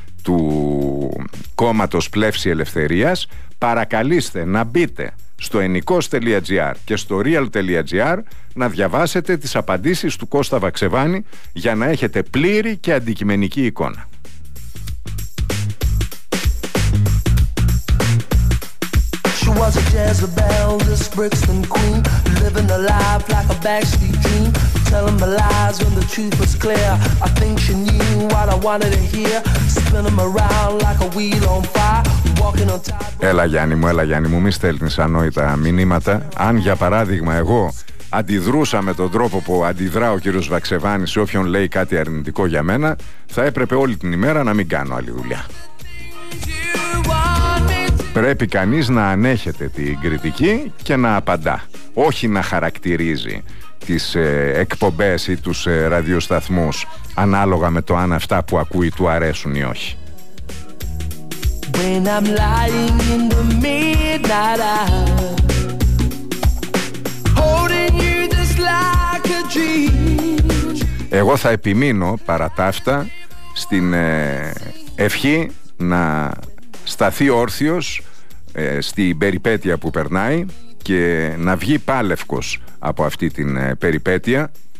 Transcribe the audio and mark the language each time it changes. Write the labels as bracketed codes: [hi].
[el] του κόμματος Πλεύση Ελευθερίας, παρακαλείστε να μπείτε στο enikos.gr και στο real.gr να διαβάσετε τις απαντήσεις του Κώστα Βαξεβάνη, για να έχετε πλήρη και αντικειμενική εικόνα. [en] She was a Jezebel, this Brixton queen, living a life like a backstreet dream, telling the lies when the truth was clear. I think she knew what I wanted to hear, spin them around like a wheel on fire. [el] Έλα Γιάννη μου, μη στέλνεις ανόητα μηνύματα. Αν για παράδειγμα εγώ αντιδρούσα με τον τρόπο που αντιδρά ο κύριος Βαξεβάνης σε όποιον λέει κάτι αρνητικό για μένα, θα έπρεπε όλη την ημέρα να μην κάνω άλλη δουλειά. Πρέπει κανείς να ανέχεται την κριτική και να απαντά, όχι να χαρακτηρίζει τις εκπομπές ή τους ραδιοσταθμούς ανάλογα με το αν αυτά που ακούει του αρέσουν ή όχι. [en] When I'm lying in the midnight hour, holding you just like a dream. [el] Εγώ θα επιμείνω παρά τα αυτά στην ευχή να σταθεί όρθιος στην περιπέτεια που περνάει και να βγει πάλευκος από αυτή την περιπέτεια.